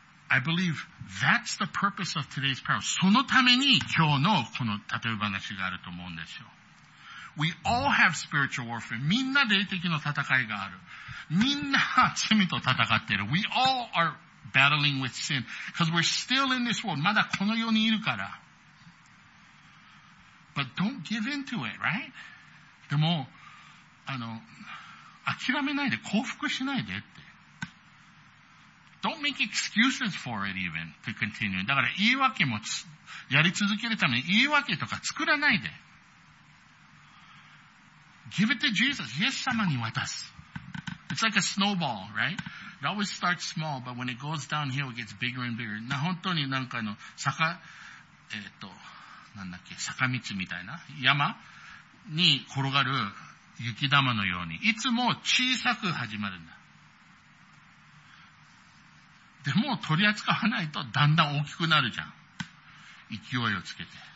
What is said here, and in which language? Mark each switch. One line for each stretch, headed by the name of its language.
English: I believe that's the purpose of today's prayer.
Japanese: そのために今日のこの例え話があると思うんですよ。
English: We all have spiritual warfare.
Japanese: みんな霊的の戦いがある。みんな罪と戦っている。
English: We all are battling with sin. Because we're still in this world.
Japanese: まだこの世にいるから。
English: But don't give in to it, right?
Japanese: でも、諦めないで、降伏しないでって。
English: Don't make excuses for it even to continue.
Japanese: だから言い訳もやり続けるために言い訳とか作らないで。
English: Give it to Jesus.
Japanese: イエス様に渡す。
English: It's like a snowball, right? It always starts small, but when it goes downhill, it gets bigger and bigger.
Japanese: な、本当になんかの坂、なんだっけ、坂道みたいな山に転がる雪玉のように、いつも小さく始まるんだ。でも取り扱わないとだんだん大きくなるじゃん。勢いをつけて。